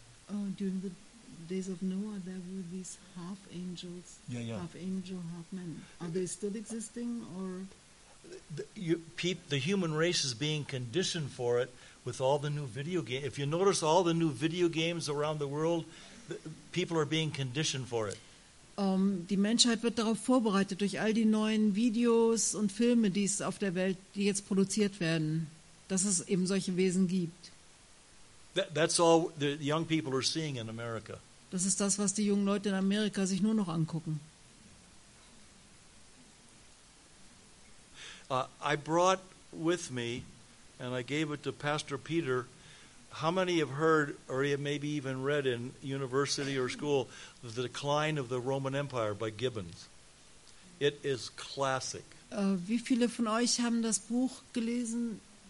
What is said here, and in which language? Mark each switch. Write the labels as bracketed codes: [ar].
[en] Oh, during the days of Noah, there were these half angels, half angel, half man. Are they still existing, or the human race is being conditioned for it with all the new video games? If you notice, all the new video games around the world. People are being conditioned for it. [de] Die Menschheit wird darauf vorbereitet durch all die neuen Videos und Filme, die es auf der Welt, die jetzt produziert werden, dass es eben solche Wesen gibt. [en] That's all the young people are seeing in America. [de] Das ist das, was die jungen Leute in Amerika sich nur noch angucken. [en] I brought with me and I gave it to Pastor Peter. How many have heard, or maybe even read in university or school, The Decline of the Roman Empire by Gibbons? It is classic. [de] Wie viele von euch haben das Buch gelesen?